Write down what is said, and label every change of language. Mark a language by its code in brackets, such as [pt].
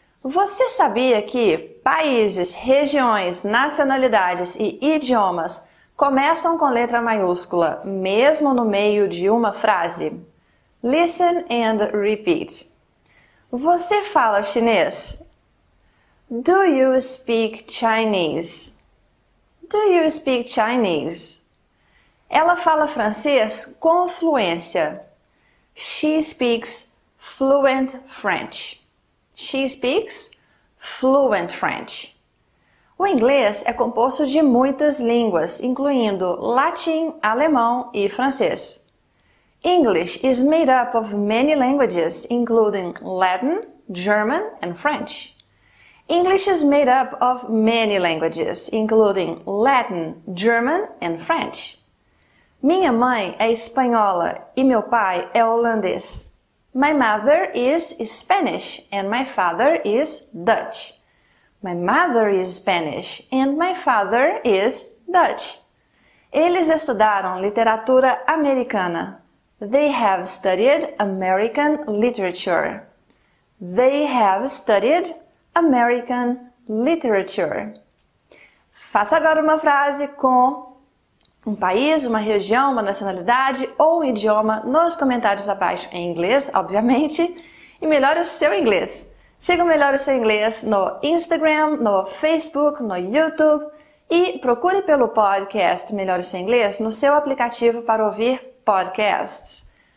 [pt] Você sabia que países, regiões, nacionalidades e idiomas começam com letra maiúscula mesmo no meio de uma frase? [en] Listen and repeat. [pt] Você fala chinês? [en] Do you speak Chinese? Do you speak Chinese? [pt] Ela fala francês com fluência. [en] She speaks fluent French. She speaks fluent French. [pt] O inglês é composto de muitas línguas, incluindo latim, alemão e francês. [en] English is made up of many languages, including Latin, German and French. English is made up of many languages, including Latin, German and French. [pt] Minha mãe é espanhola e meu pai é holandês. [en] My mother is Spanish and my father is Dutch. My mother is Spanish and my father is Dutch. [pt] Eles estudaram literatura americana. [en] They have studied American literature. They have studied American literature. [pt] Faça agora uma frase com um país, uma região, uma nacionalidade ou um idioma nos comentários abaixo em inglês, obviamente. E melhore o seu inglês. Siga o Melhore o Seu Inglês no Instagram, no Facebook, no YouTube e procure pelo podcast Melhore o Seu Inglês no seu aplicativo para ouvir podcasts.